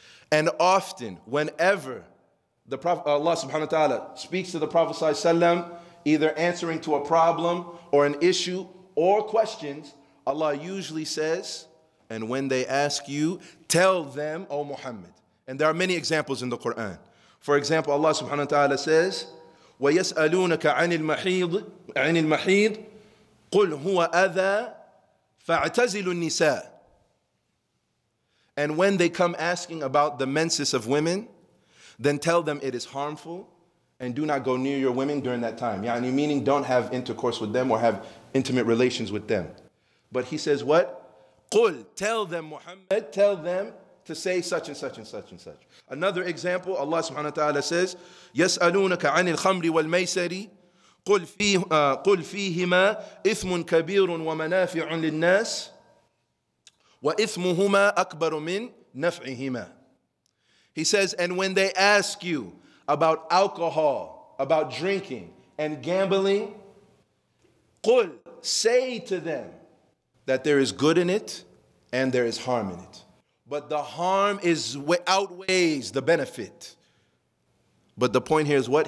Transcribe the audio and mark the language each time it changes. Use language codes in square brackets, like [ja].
[en] And often, whenever the Prophet Allah subhanahu wa ta'ala speaks to the Prophet sallallahu alaihi wasallam, either answering to a problem or an issue or questions, Allah usually says, and when they ask you, tell them, O Muhammad. And there are many examples in the Quran. For example, Allah subhanahu wa ta'ala says, [ar] وَيَسْأَلُونَكَ عَنِ الْمَحِيضِ قُلْ هُوَ أَذَى فَاعْتَزِلُ النِّسَاءِ. [en] And when they come asking about the menses of women, then tell them it is harmful and do not go near your women during that time. يعني meaning don't have intercourse with them or have intimate relations with them. But he says what? قُلْ, tell them Muhammad, tell them to say such and such and such and such. Another example, Allah subhanahu wa ta'ala says, [ar] يَسْأَلُونَكَ عَنِ الْخَمْرِ وَالْمَيْسَرِ قُلْ فِيهِمَا إِثْمٌ كَبِيرٌ وَمَنَافِعٌ لِلنَّاسِ وَإِثْمُهُمَا أَكْبَرُ مِنْ نَفْعِهِمَا. [en] He says, and when they ask you about alcohol, about drinking and gambling, قُلْ, say to them that there is good in it and there is harm in it. But the harm is outweighs the benefit. But the point here is what?